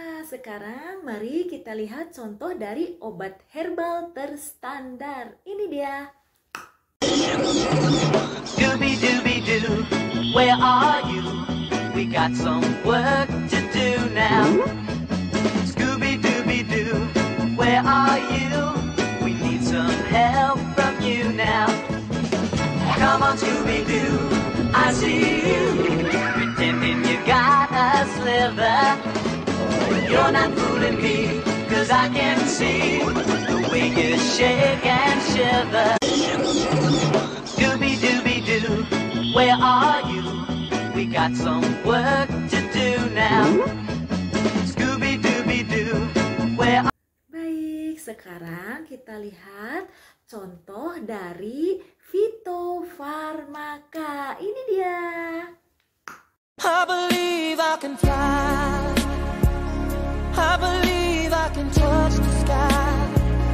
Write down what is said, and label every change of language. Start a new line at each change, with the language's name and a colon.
Indonesian: Sekarang mari kita lihat contoh dari obat herbal terstandar. Ini dia.
English: Dooby dooby doo, where are you? We got some work to do now. Scooby dooby doo, where are you? We need some help from you now. Come on Scooby doo, I see you. Pretending you got a sliver. You're not fooling me, 'cause I can see the way you shake and shiver. Dooby dooby doo, where are you? We got some work to do now. Scooby dooby doo, where are you?
Indonesian: Baik, sekarang kita lihat contoh dari fitofarmaka. Ini dia.
English: I believe I can fly. I believe I can touch the sky.